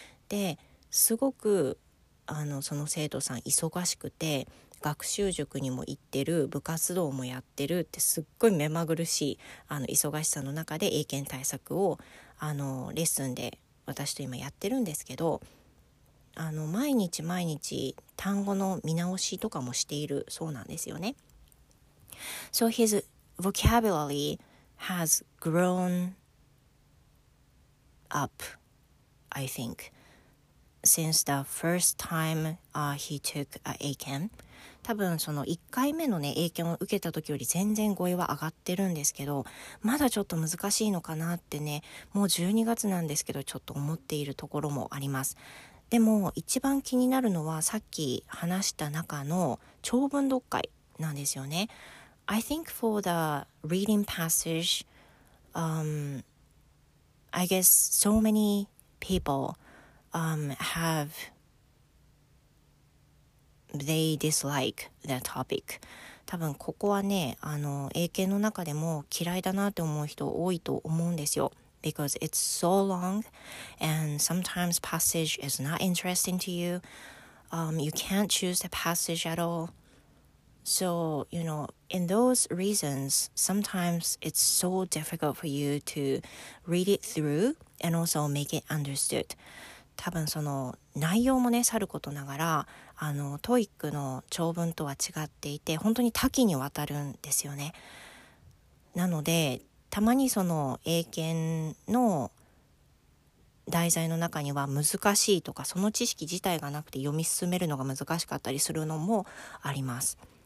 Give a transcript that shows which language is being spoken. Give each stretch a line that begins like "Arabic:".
Japanese: ですごくその生徒さん忙しくて、学習塾にも行ってる、部活動もやってるって、すっごい目まぐるしい忙しさの中で英検対策をレッスンで私と今やってるんですけど、毎日毎日単語の見直しとかもしているそうなんですよね。
English: So hisVocabulary has grown up, I think, since the first time he took a AKEN.
Japanese: 多分その1回目のね AKEN を受けた時より全然語彙は上がってるんですけど、まだちょっと難しいのかなってね、もう12月なんですけどちょっと思っているところもあります。でも一番気になるのはさっき話した中の長文読解なんですよね。
English: I think for the reading passage, I guess so many people they dislike that topic.
Japanese: 多分ここはね、英検の中でも嫌いだなって思う人多いと思うんですよ。
English: Because it's so long, and sometimes passage is not interesting to you. You can't choose the passage at all. So, you know, in those reasons, sometimes it's so difficult for you to read it through and also make it understood.
Japanese: 多分その内容もね、さることながら、TOEIC の長文とは違っていて、本当に多岐にわたるんですよね。なので、たまにその英検の題材の中には難しいとか、その知識自体がなくて読み進めるのが難しかったりするのもあります。